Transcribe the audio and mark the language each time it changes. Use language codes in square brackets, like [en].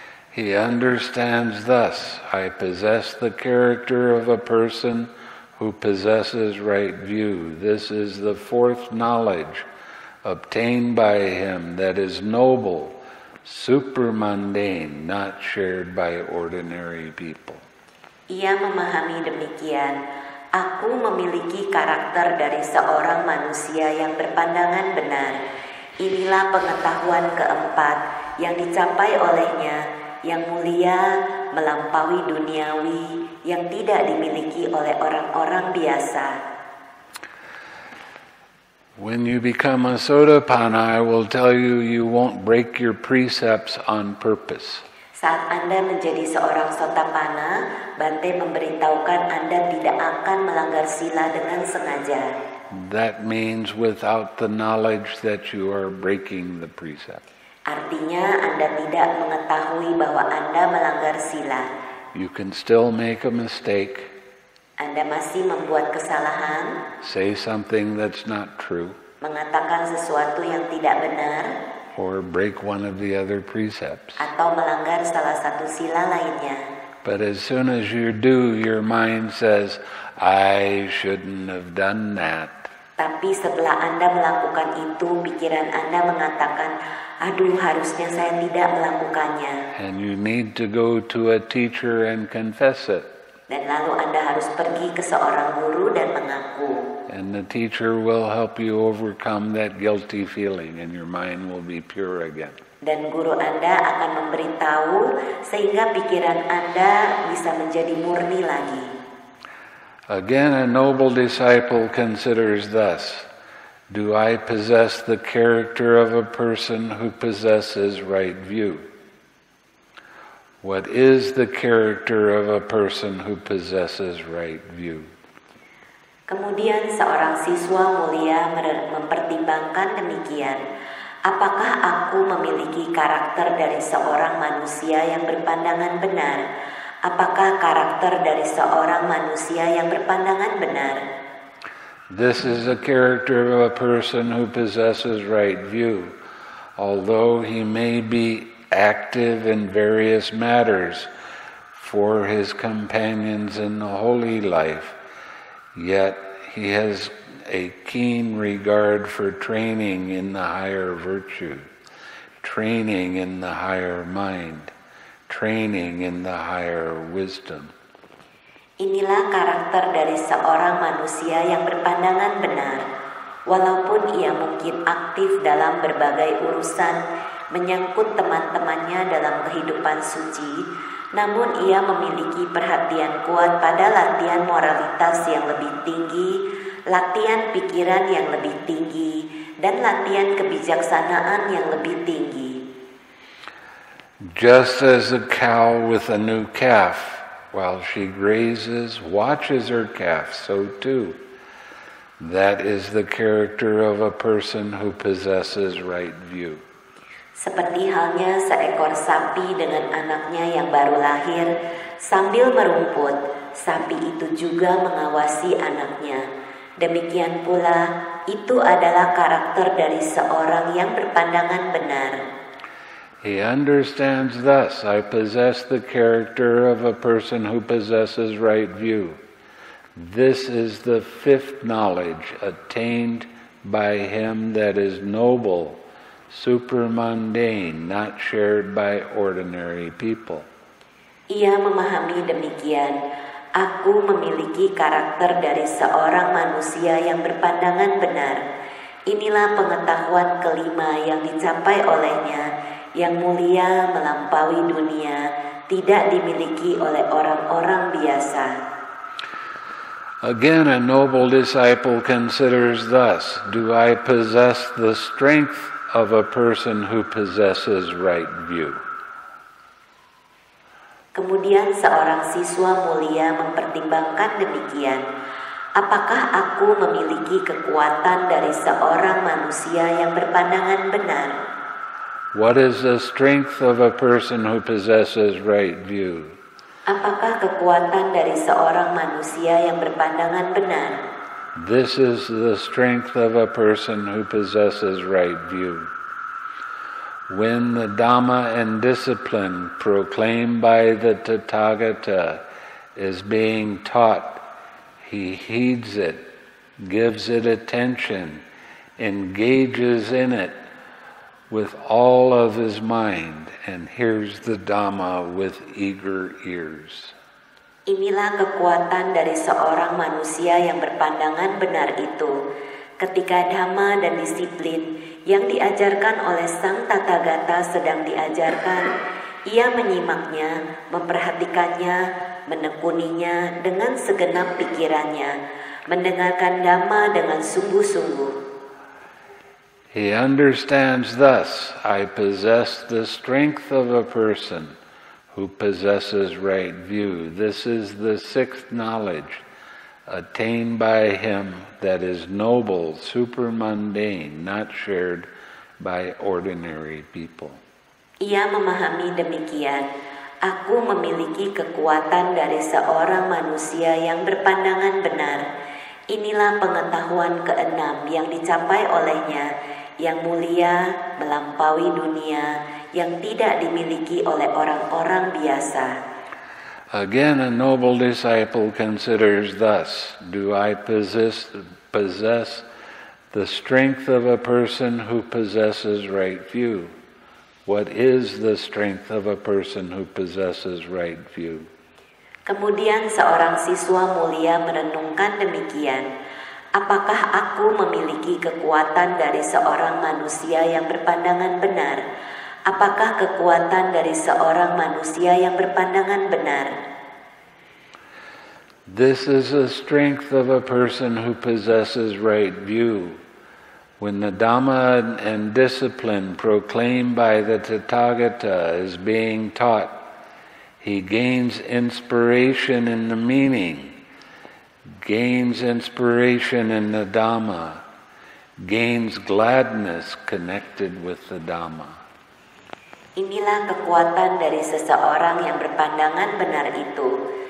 [en] He understands thus, I possess the character of a person who possesses right view. This is the fourth knowledge obtained by him that is noble, supermundane, not shared by ordinary people. [id] Ia memahami demikian, aku memiliki karakter dari seorang manusia yang berpandangan benar. Inilah pengetahuan keempat yang dicapai olehnya, yang mulia, melampaui duniawi, yang tidak dimiliki oleh orang-orang biasa. [en] When you become a sotapanna, I will tell you, you won't break your precepts on purpose. [id] Saat Anda menjadi seorang sotapanna, Bhante memberitahukan Anda tidak akan melanggar sila dengan sengaja. [en] That means without the knowledge that you are breaking the precept. [id] Artinya Anda tidak mengetahui bahwa Anda melanggar sila. [en] You can still make a mistake. [id] Anda masih membuat kesalahan. [en] Say something that's not true. [id] Mengatakan sesuatu yang tidak benar. [en] Or break one of the other precepts. [id] Atau melanggar salah satu sila lainnya. [en] But as soon as you do, your mind says, I shouldn't have done that. [id] Tapi setelah Anda melakukan itu, pikiran Anda mengatakan, aduh, harusnya saya tidak melakukannya. [en] And you need to go to a teacher and confess it. [id] Dan lalu Anda harus pergi ke seorang guru dan mengaku. [en] And the teacher will help you overcome that guilty feeling and your mind will be pure again. [id] Dan guru Anda akan memberitahu sehingga pikiran Anda bisa menjadi murni lagi. [en] Again, a noble disciple considers thus, do I possess the character of a person who possesses right view? What is the character of a person who possesses right view? [id] Kemudian seorang siswa mulia mempertimbangkan demikian, apakah aku memiliki karakter dari seorang manusia yang berpandangan benar? Apakah karakter dari seorang manusia yang berpandangan benar? [en] This is the character of a person who possesses right view. Although he may be active in various matters for his companions in the holy life, yet he has a keen regard for training in the higher virtue, training in the higher mind, training in the higher wisdom. [id] Inilah karakter dari seorang manusia yang berpandangan benar. Walaupun ia mungkin aktif dalam berbagai urusan, menyangkut teman-temannya dalam kehidupan suci, Namun ia memiliki perhatian kuat pada latihan moralitas yang lebih tinggi, latihan pikiran yang lebih tinggi, dan latihan kebijaksanaan yang lebih tinggi. [en] Just as a cow with a new calf, while she grazes, watches her calf, so too. That is the character of a person who possesses right view. [id] Seperti halnya seekor sapi dengan anaknya yang baru lahir, sambil merumput, sapi itu juga mengawasi anaknya. Demikian pula, itu adalah karakter dari seorang yang berpandangan benar. [en] He understands thus, I possess the character of a person who possesses right view. This is the fifth knowledge attained by him that is noble, supermundane, not shared by ordinary people. [id] Ia memahami demikian, aku memiliki karakter dari seorang manusia yang berpandangan benar. Inilah pengetahuan kelima yang dicapai olehnya, yang mulia melampaui dunia, tidak dimiliki oleh orang-orang biasa. [en] Again, a noble disciple considers thus, do I possess the strength of a person who possesses right view? [id] Kemudian seorang siswa mulia mempertimbangkan demikian, apakah aku memiliki kekuatan dari seorang manusia yang berpandangan benar? [en] What is the strength of a person who possesses right view? [id] Apakah kekuatan dari seorang manusia yang berpandangan benar? [en] This is the strength of a person who possesses right view. When the Dhamma and discipline proclaimed by the Tathagata is being taught, he heeds it, gives it attention, engages in it with all of his mind, and hears the Dhamma with eager ears. [id] Inilah kekuatan dari seorang manusia yang berpandangan benar itu. Ketika dhamma dan disiplin yang diajarkan oleh Sang Tathagata sedang diajarkan, ia menyimaknya, memperhatikannya, menekuninya dengan segenap pikirannya, mendengarkan dhamma dengan sungguh-sungguh. [en] He understands thus, I possess the strength of a person who possesses right view. This is the sixth knowledge attained by him that is noble, supermundane, not shared by ordinary people. [id] Ia memahami demikian, aku memiliki kekuatan dari seorang manusia yang berpandangan benar. Inilah pengetahuan keenam yang dicapai olehnya, yang mulia melampaui dunia, yang tidak dimiliki oleh orang-orang biasa. [en] Again, a noble disciple considers thus, do I possess the strength of a person who possesses right view? What is the strength of a person who possesses right view? [id] Kemudian seorang siswa mulia merenungkan demikian, apakah aku memiliki kekuatan dari seorang manusia yang berpandangan benar? Apakah kekuatan dari seorang manusia yang berpandangan benar? [en] This is the strength of a person who possesses right view. When the Dhamma and discipline proclaimed by the Tathagata is being taught, he gains inspiration in the meaning, gains inspiration in the Dhamma, gains gladness connected with the Dhamma. [id] Inilah kekuatan dari seseorang yang berpandangan benar itu.